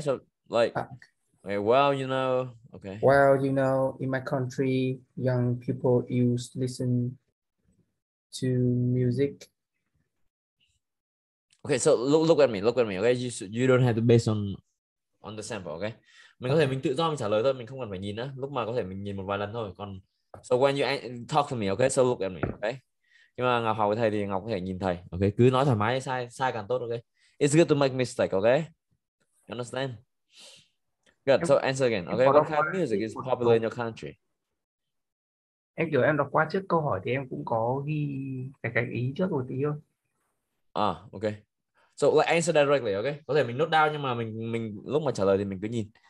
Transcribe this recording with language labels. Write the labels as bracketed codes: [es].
[en] So like, okay, well, you know, okay. Well, you know, in my country, young people used to listen to music. Okay, so look at me, okay? You don't have to base on the sample, okay? [vi] Mình có thể mình tự do mình trả lời thôi, mình không cần phải nhìn nữa. Lúc mà có thể mình nhìn một vài lần thôi. [en] Còn so when you talk to me, okay? So look at me, okay? [vi] Nhưng mà Ngọc học với thầy thì Ngọc có thể nhìn thầy, okay? Cứ nói thoải mái, sai sai càng tốt, okay? [en] It's good to make mistake, okay? You understand? Good. So answer again, okay? What kind of music is popular in your country? [vi] Em kiểu em đọc qua trước câu hỏi thì em cũng có ghi cái ý trước một tí thôi. [en] Ah, okay. So like answer directly, okay? [vi] Có thể mình note down nhưng mà mình lúc mà trả lời thì mình cứ nhìn.